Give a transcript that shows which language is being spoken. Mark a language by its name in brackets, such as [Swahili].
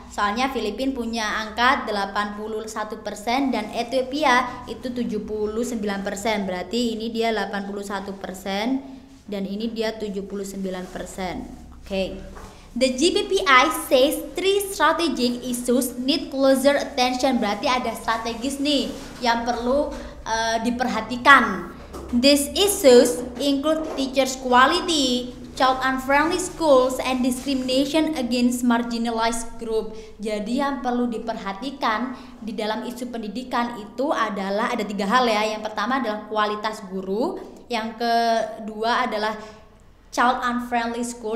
[Indonesian] Soalnya Filipina punya angka 81% dan Ethiopia itu 79%. Berarti ini dia 81% dan ini dia 79%. Oke. [English] The GPPI says three strategic issues need closer attention. [Indonesian] Berarti ada strategis nih yang perlu diperhatikan. [English] These issues include teachers' quality, child-unfriendly schools, and discrimination against marginalized group. [Indonesian] Jadi yang perlu diperhatikan di dalam isu pendidikan itu adalah ada tiga hal ya. Yang pertama adalah kualitas guru, yang kedua adalah child-unfriendly school.